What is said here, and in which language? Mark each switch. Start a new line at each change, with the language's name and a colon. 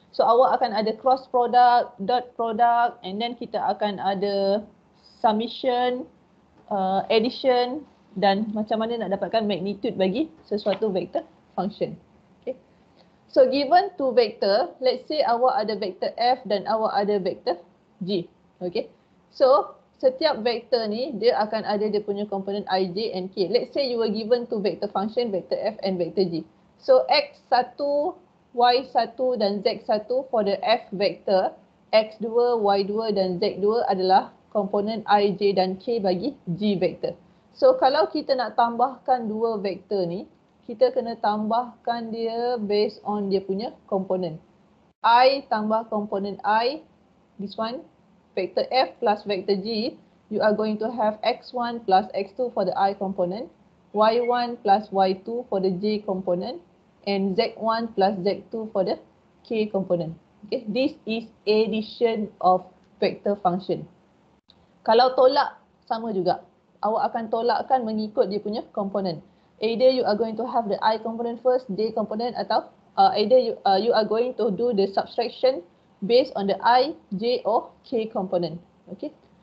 Malay: So awak akan ada cross product, dot product, and then kita akan ada summation, addition dan macam mana nak dapatkan magnitude bagi sesuatu vector function. So given two vector, let's say awak ada vector F dan awak ada vector G. Okay. So setiap vector ni dia akan ada dia punya component I, J and K.
English: Let's say you were given two vector function, vector F and vector G.
Malay: So X1, Y1 dan Z1 for the F vector, X2, Y2 dan Z2 adalah component I, J dan K bagi G vector. So kalau kita nak tambahkan dua vector ni, kita kena tambahkan dia based on dia punya komponen.
English: I tambah komponen I, this one, vector F plus vector G, you are going to have X1 plus X2 for the I component, Y1 plus Y2 for the J component, and Z1 plus Z2 for the K component. Okay, this is addition of vector function.
Malay: Kalau tolak, sama juga. Awak akan tolakkan mengikut dia punya komponen.
English: Either you are going to have the I component first, J component, atau either you are going to do the subtraction based on the I, J or K component. Okay.